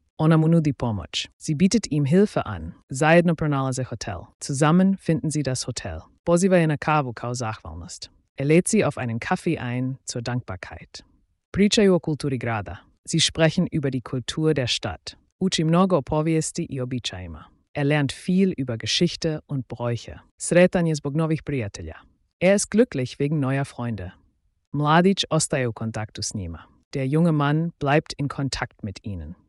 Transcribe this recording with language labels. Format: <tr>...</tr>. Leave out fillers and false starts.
<hr>Ona mu nudi pomoć.</hr> <de>Sie bietet ihm Hilfe an.</de> <hr>Zajedno pronalaze hotel.</hr> <de>Zusammen finden sie das Hotel.</de> <hr>Poziva je na kavu kao zahvalnost.</hr> <de>Lädt sie auf einen Kaffee ein zur Dankbarkeit.</de> <hr>Pričaju o kulturi grada.</hr> <de>Sie sprechen über die Kultur der Stadt.</de> <hr>Uči mnogo o povijesti i običajima.</hr> <de>Lernt viel über Geschichte und Bräuche.</de> <hr>Sretan je zbog novih prijatelja.</hr> <de>Ist glücklich wegen neuer Freunde.</de> <hr>Mladić ostaje u kontaktu s njima.</hr> <de>Der junge Mann bleibt in Kontakt mit ihnen.</de>